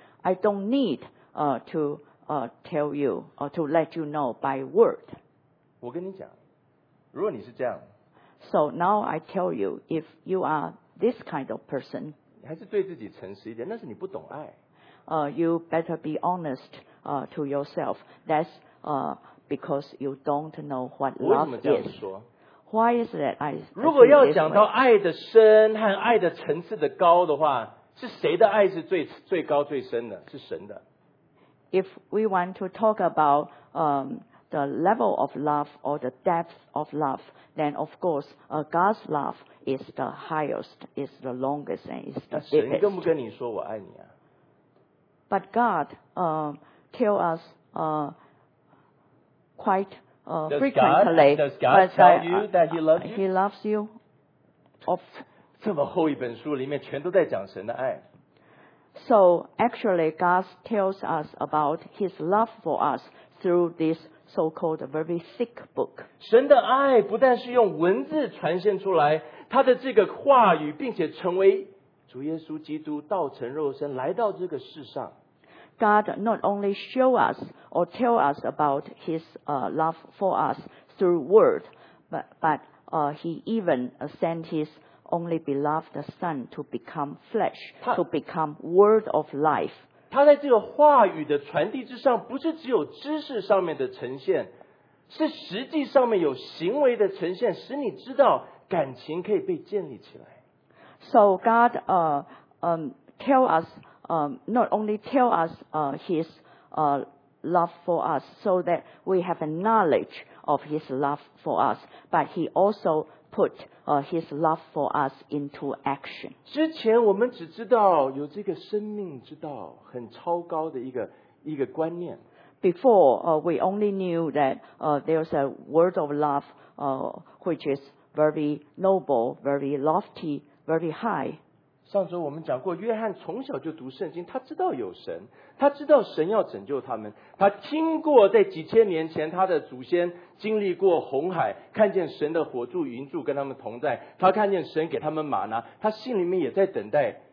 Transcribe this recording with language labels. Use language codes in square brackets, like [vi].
[en] I don't need to tell you or to let you know by word. [zh] 我跟你讲，如果你是这样。 [en] So now I tell you, if you are this kind of person, [zh] 还是对自己诚实一点，那是你不懂爱。 [en] You better be honest to yourself. That's because you don't know what love is. [zh] 我怎么这样说？ [en] Why is that? I [zh] 如果要讲到爱的深和爱的层次的高的话，是谁的爱是最高最深的？是神的。 [en] If we want to talk about the level of love or the depth of love, then of course God's love is the highest, is the longest, and is the biggest. [zh] 神跟不跟你说我爱你啊？ [en] But God tell us quite frequently. Does God tell you that He loves you? He loves you. Of [zh] 这么厚一本书里面全都在讲神的爱。 [en] So actually, God tells us about His love for us through this. So-called a very thick book. [zh] 神的爱不但是用文字传现出来，他的这个话语，并且成为主耶稣基督道成肉身来到这个世上。 [en] God not only show us or tell us about His love for us through word, but He even sent His only beloved Son to become flesh, to become Word of Life. [zh] 他在这个话语的传递之上，不是只有知识上面的呈现，是实际上面有行为的呈现，使你知道感情可以被建立起来。 [en] So God tell us not only tell us His love for us, so that we have a knowledge of His love for us, but He also put His love for us into action. [zh] 之前我们只知道有这个生命之道，很超高的一个观念。 [en] Before, we only knew that there's a word of love, which is very noble, very lofty, very high. [zh] 上周我们讲过，约翰从小就读圣经，他知道有神，他知道神要拯救他们，他听过在几千年前他的祖先经历过红海，看见神的火柱云柱跟他们同在，他看见神给他们玛拿，他心里面也在等待